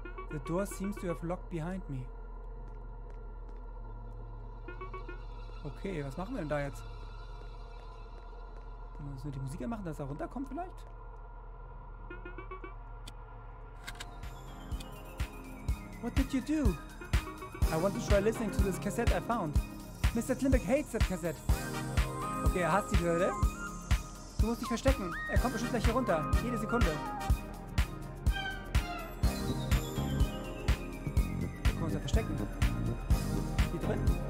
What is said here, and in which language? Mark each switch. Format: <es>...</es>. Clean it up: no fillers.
<en>The door seems to have locked behind me.</en> <de>Okay, was machen wir denn da jetzt? Sollen wir die Musik machen, dass er runterkommt vielleicht?</de> <en>What did you do? I want to try listening to this cassette I found. Mr. Klimbeck hates that cassette.</en> <de>Okay, er hasst die Hürde. Du musst dich verstecken. Er kommt bestimmt gleich hier runter. Jede Sekunde. verstecken. Hier drin.</de>